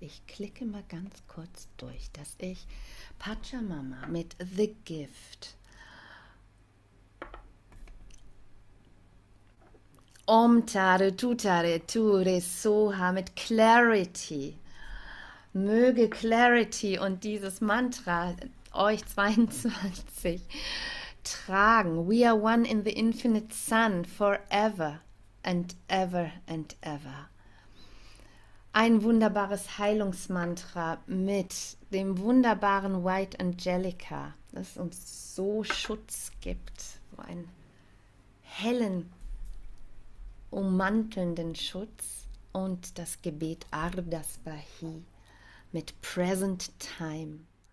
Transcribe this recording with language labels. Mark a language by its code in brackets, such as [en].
[de] Ich klicke mal ganz kurz durch, dass ich Pachamama mit The Gift, Om Tare Tutare Ture Soha mit Clarity, möge Clarity und dieses Mantra euch 22 tragen. [en] We are one in the infinite sun forever and ever and ever. [de] Ein wunderbares Heilungsmantra mit dem wunderbaren White Angelica, das uns so Schutz gibt, so einen hellen, ummantelnden Schutz. Und das Gebet Ardhasvahi mit Present Time.